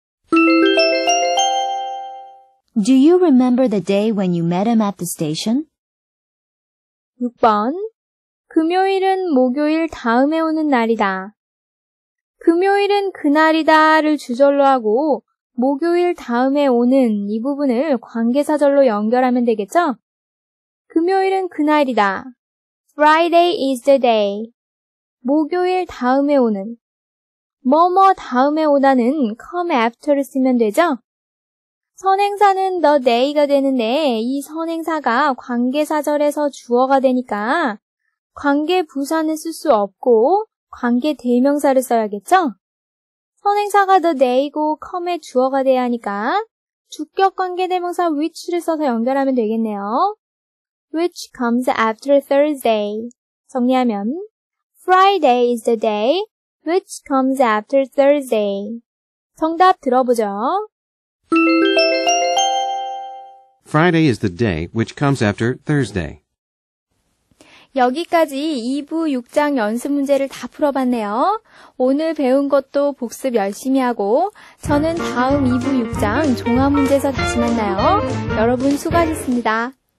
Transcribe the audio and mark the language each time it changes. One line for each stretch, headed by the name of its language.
English: Do you remember the day when you met him at the station?
Korean: 6번. 금요일은 목요일 다음에 오는 날이다. 금요일은 그날이다를 주절로 하고 목요일 다음에 오는 이 부분을 관계사절로 연결하면 되겠죠? 금요일은 그날이다.
English: Friday is the day.
Korean: 목요일 다음에 오는. 뭐뭐 다음에 오다는 come after를 쓰면 되죠? 선행사는 the day가 되는데 이 선행사가 관계사절에서 주어가 되니까 관계부사는 쓸 수 없고 관계대명사를 써야겠죠? 선행사가 the day고 come의 주어가 돼야 하니까 주격 관계대명사 which를 써서 연결하면 되겠네요.
English: Which comes after Thursday.
Korean: 정리하면
English: Friday is the day which comes after Thursday.
Korean: 정답 들어보죠.
English: Friday is the day which comes after Thursday.
Korean: 여기까지 2부 6장 연습 문제를 다 풀어봤네요. 오늘 배운 것도 복습 열심히 하고 저는 다음 2부 6장 종합 문제에서 다시 만나요. 여러분 수고하셨습니다.